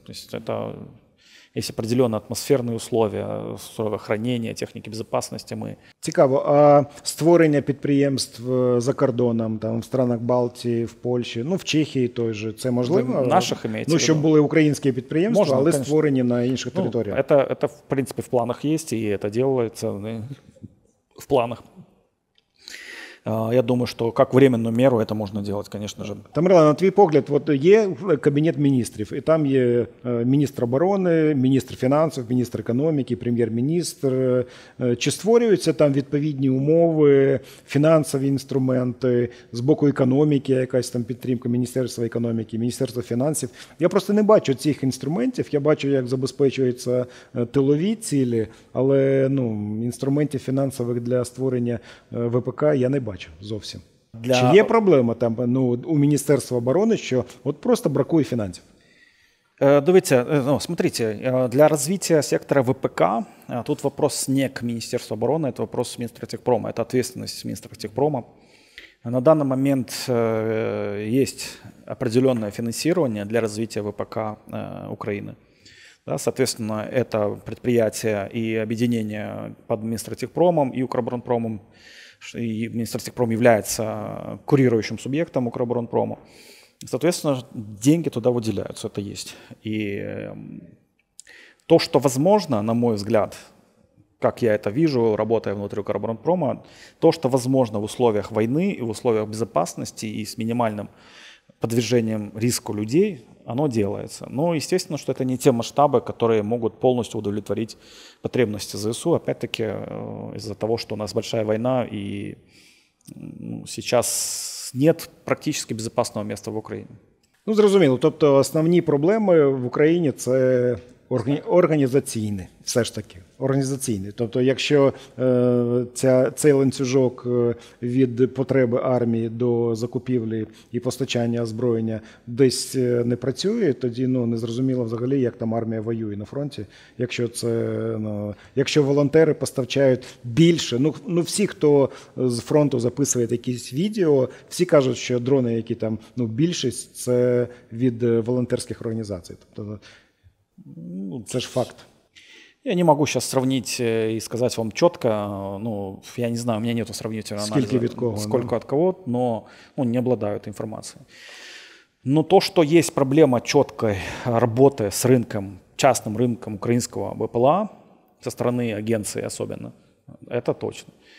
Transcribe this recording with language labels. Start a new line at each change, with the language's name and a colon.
Russian: То есть это есть определенные атмосферные условия, условия хранения, техники безопасности. Мы...
Ukrainian: Цікаво, а створення підприємств за кордоном, там, в странах Балтії, в Польщі, ну, в Чехії той же, це можливо?
Russian: Для наших имеется
Ukrainian: в виду. Ну, щоб були українські підприємства, можна, але конечно. Створені на інших територіях.
Russian: Ну, это, в принципе, в планах есть, и это делается в планах.
Ukrainian: Я думаю, що як временну меру це можна робити, звісно ж. Тамерлан, на твій погляд, от є кабінет міністрів, і там є міністр оборони, міністр фінансів, міністр економіки, прем'єр-міністр. Чи створюються там відповідні умови, фінансові інструменти з боку економіки, якась там підтримка Міністерства економіки, Міністерства фінансів? Я просто не бачу цих інструментів, я бачу, як забезпечуються тилові цілі, але ну, інструментів фінансових для створення ВПК я не бачу зовсім. Для... Чи є проблема там, ну, у Міністерства оборони, що от просто бракує фінансів? Дивіться,
Russian: ну, смотрите,
Ukrainian: для розвитку сектора ВПК тут вопрос не к Міністерству оборони, це вопрос міністра техпрома, це відповідальність міністра техпрома. На даний момент є определенне фінансування для розвитку ВПК України.
Russian: Да, соответственно, это предприятие и объединение под министром техпромом и Укроборонпромом. И Министерство техпрома является курирующим субъектом Укроборонпрома. Соответственно, деньги туда выделяются, это есть. И то, что возможно, на мой взгляд, как я это вижу, работая внутри Укроборонпрома, то, что возможно в условиях войны и в условиях безопасности и с минимальным подвижением риску людей, оно делается. Но, естественно, что это не те масштабы, которые могут полностью удовлетворить потребности ЗСУ. Опять-таки, из-за того, что у нас большая война, и сейчас нет практически безопасного места в Украине.
Ukrainian: Ну, зрозуміло. Тобто, основні проблеми в Україні – це організаційні, все ж таки. Організаційні. Тобто, якщо цей ланцюжок від потреби армії до закупівлі і постачання озброєння десь не працює, тоді ну, незрозуміло взагалі, як там армія воює на фронті. Якщо це, ну, якщо волонтери поставчають більше, ну, ну всі, хто з фронту записує якісь відео, всі кажуть, що дрони, які там, ну більшість, це від волонтерських організацій. Тобто, це ж факт.
Russian: Я не могу сейчас сравнить и сказать вам четко, ну, я не знаю, у меня нету сравнительного анализа, сколько,
Ukrainian: від кого,
Russian: сколько да? от кого, но ну, не обладаю этой информацией. Но то, что есть проблема четкой работы с рынком, частным рынком украинского ВПЛА, со стороны агенции особенно, это точно.